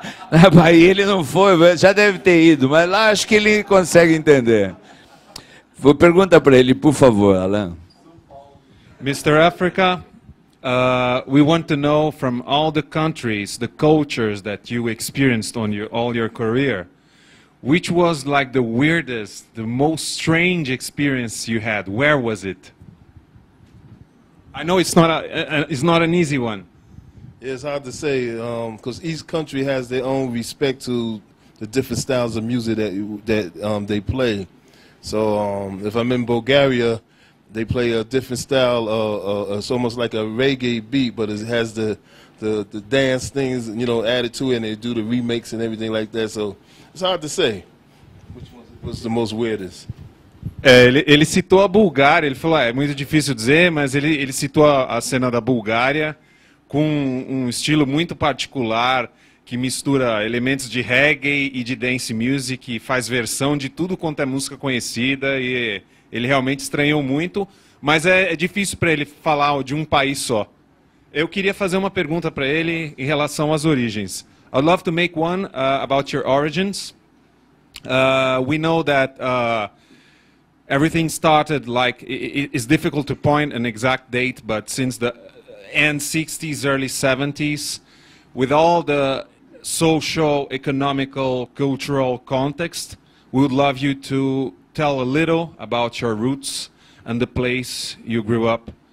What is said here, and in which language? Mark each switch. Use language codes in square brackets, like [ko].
[pt] Na Bahia ele não foi, já deve ter ido, mas lá acho que ele consegue entender. Pergunta para ele, por favor, Alan. [en] Mr. Africa, we want to know from all the countries, the cultures that you experienced on your, all your career, which was like the weirdest, the most strange experience you had? Where was it? I know it's not it's not an easy one. Yeah, it's hard to say, because each country has their own respect to the different styles of music that they play. So if I'm in Bulgaria, they play a different style. It's almost like a reggae beat, but it has the dance things, you know, added to it, and they do the remakes and everything like that. So it's hard to say which one was the most weirdest. [pt] Ele citou a Bulgária. Ele falou, é muito difícil dizer, mas ele citou a cena da Bulgária com um estilo muito particular que mistura elementos de reggae e de dance music e faz versão de tudo quanto é música conhecida e ele realmente estranhou muito, mas é difícil para ele falar de um país só. Eu queria fazer uma pergunta para ele em relação às origens. [en] I'd love to make one about your origins. We know that everything started like, it's difficult to point an exact date, but since the end 60s, early 70s, with all the social, economical, cultural context, we would love you to tell a little about your roots and the place you grew up.